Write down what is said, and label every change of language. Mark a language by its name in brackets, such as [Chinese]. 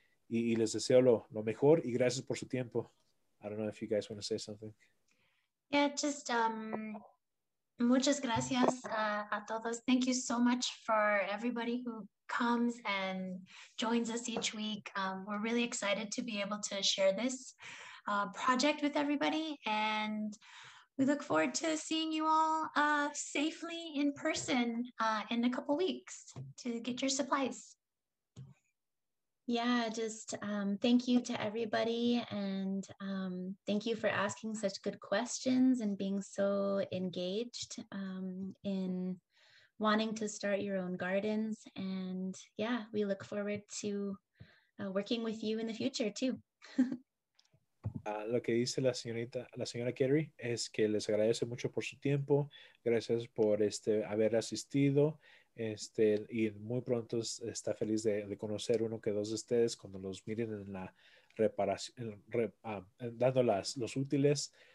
[Spanish] Y les deseo lo mejor y gracias por su tiempo. [English] I don't know if you guys want to say something. Yeah, just [Spanish] muchas gracias a todos. [English] Thank you so much for everybody who comes and joins us each week. We're really excited to be able to share this project with everybody. And we look forward to seeing you all safely in person in a couple weeks to get your supplies. Yeah, just thank you to everybody, and thank you for asking such good questions and being so engaged in wanting to start your own gardens. And yeah, we look forward to working with you in the future too. [Spanish] Lo que dice la señora Catery es que les agradece mucho por su tiempo. Gracias por haber asistido. Y muy pronto está feliz de conocer uno que dos de ustedes cuando los miren en la reparación, dando los útiles.